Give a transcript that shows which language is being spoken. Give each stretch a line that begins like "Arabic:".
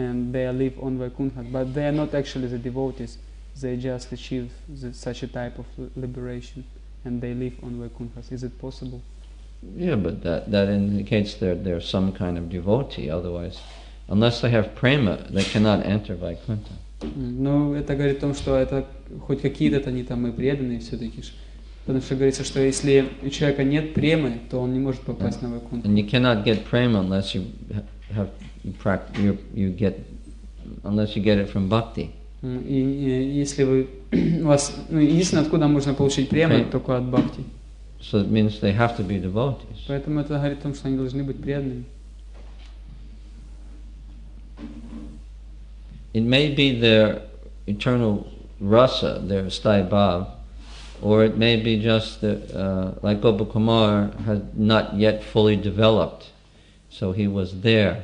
English: and they live on Vaikuntha, but they are not actually the devotees, they just achieve such a type of liberation and they live on Vaikuntha. Is it possible? Yeah, but that indicates they're some kind of devotee, otherwise, unless they have prema, they cannot enter Vaikuntha.
Russian: Ну, это говорит о том, что это хоть какие-то они там и преданные все-таки же. Потому что говорится, что если у человека нет премы, то он не может попасть на Вайкунту.
English: And you cannot get prema unless you get it from bhakti.
Russian: Единственное, откуда можно получить прему, только от бхакти.
English: So it means they have to be devotees.
Russian: Поэтому это говорит о том, что они должны быть преданными.
English: It may be their eternal rasa, their sthayi bhava, or it may be just that, like Gopakumar had not yet fully developed, so he was there.